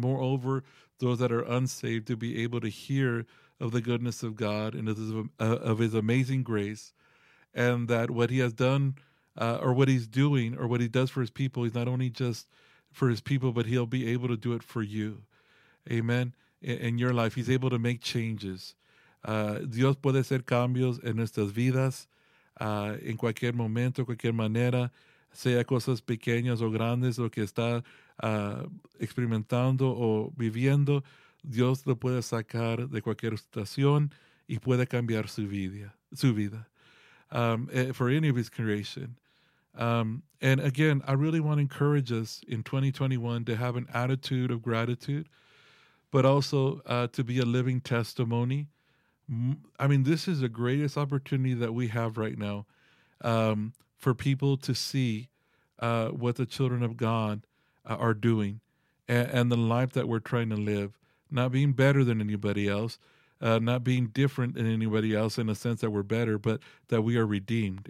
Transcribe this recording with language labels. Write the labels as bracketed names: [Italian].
[English] Moreover, those that are unsaved to be able to hear of the goodness of God and of His amazing grace, and that what He has done or what He's doing or what He does for His people is not only just for His people, but He'll be able to do it for you. Amen. In your life, He's able to make changes. [Spanish] Dios puede hacer cambios en nuestras vidas en cualquier momento, cualquier manera, sea cosas pequeñas o grandes, lo que está experimentando o viviendo, Dios lo puede sacar de cualquier situación y puede cambiar su vida. [English] For any of His creation. And again, I really want to encourage us in 2021 to have an attitude of gratitude, but also to be a living testimony. I mean, this is the greatest opportunity that we have right now for people to see what the children of God are doing and the life that we're trying to live, not being better than anybody else, not being different than anybody else in a sense that we're better, but that we are redeemed.